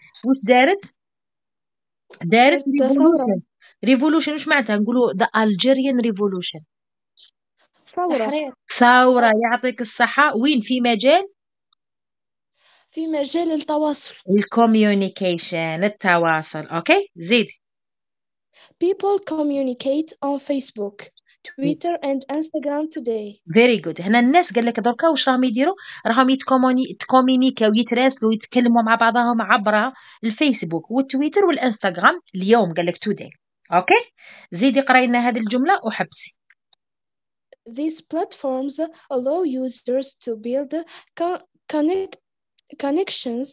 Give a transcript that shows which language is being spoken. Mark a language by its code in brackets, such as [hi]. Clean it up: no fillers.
[ar] وش دارت؟ دارت دارت ثورة. ريفولوشن. ريفولوشن وش معناتها؟ نقولوا ذا الجيريان ريفولوشن، ثورة تحرير، ثورة. يعطيك الصحة. وين؟ في مجال في مجال التواصل. الكوميونيكيشن، التواصل. اوكي زيد. [en] People communicate on Facebook, Twitter and Instagram today. Very good. [ar] هنا الناس قال لك دركا واش راهم يديروا؟ راهم يتكومونيكاو ويتراسلوا ويتكلموا مع بعضهم عبر الفيسبوك والتويتر والانستغرام اليوم، قال لك توداي. اوكي زيدي قراي لنا هذه الجمله وحبسي. [en] These platforms allow users to build connections